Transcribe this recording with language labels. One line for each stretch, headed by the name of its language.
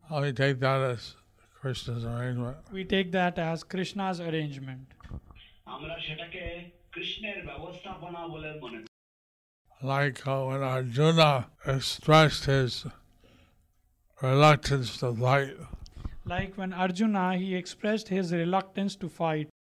English: We take that as Krishna's arrangement. We take that as Krishna's arrangement.
Bangla: আমরা সেটাকে কৃষ্ণের ব্যবস্থাপনা বলে মনে করি.
English: Like when Arjuna expressed his reluctance to fight. Like when Arjuna, he expressed his reluctance to fight.